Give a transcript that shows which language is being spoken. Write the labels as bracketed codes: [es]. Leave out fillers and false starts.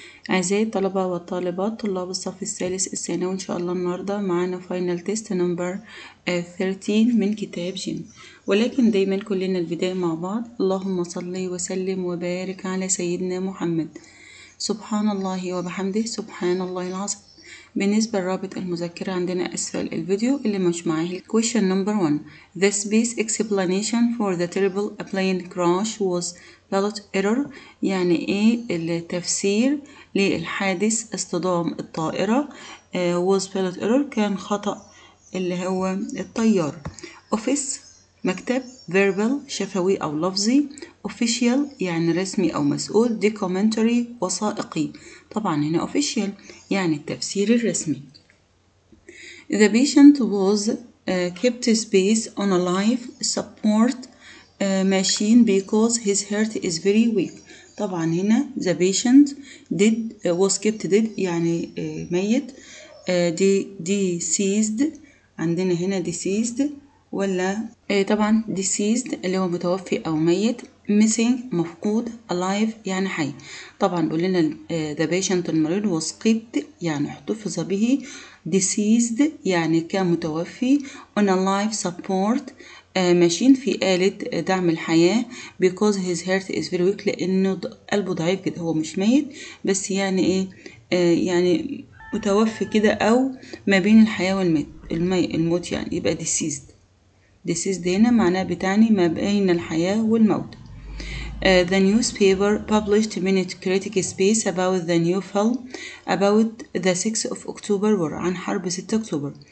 [ar] أعزائي الطلبة والطالبات، طلاب الصف الثالث الثانوي، إن شاء الله النهاردة معانا فاينل تيست نمبر 13 من كتاب جيم، ولكن دايما كلنا البداية مع بعض. اللهم صل وسلم وبارك على سيدنا محمد، سبحان الله وبحمده، سبحان الله العظيم. بالنسبة لرابط المذكرة عندنا أسفل الفيديو اللي مش معاه. [en] Question number one: The space explanation for the terrible plane crash was pilot error. [ar] يعني إيه التفسير للحادث اصطدام الطائرة؟ [en] Was pilot error، [ar] كان خطأ اللي هو الطيار. Office، مكتب. Verbal، شفوي أو لفظي. Official، يعني رسمي أو مسؤول. Documentary، وثائقي. طبعا هنا official يعني التفسير الرسمي. [en] The patient was kept space on a life support machine because his heart is very weak. طبعا هنا the patient did was kept dead، [ar] يعني ميت. Deceased، عندنا هنا deceased ولا طبعا deceased اللي هو متوفي أو ميت. missing، مفقود. alive يعني حي. طبعا بيقول لنا the patient المريض [en] was kept [ar] يعني احتفظ به. deceased يعني كان متوفي. [en] on a life support machine، [ar] في آلة دعم الحياة. [en] because his heart is very weak، [ar] لأنه قلبه ضعيف جدا. هو مش ميت بس يعني ايه، يعني متوفي كده أو ما بين الحياة والموت يعني. يبقى deceased. deceased هنا معناه بتعني ما بين الحياة والموت. [en] The newspaper published many critic pieces about the new film about the 6th of October war، [ar] عن حرب 6 أكتوبر.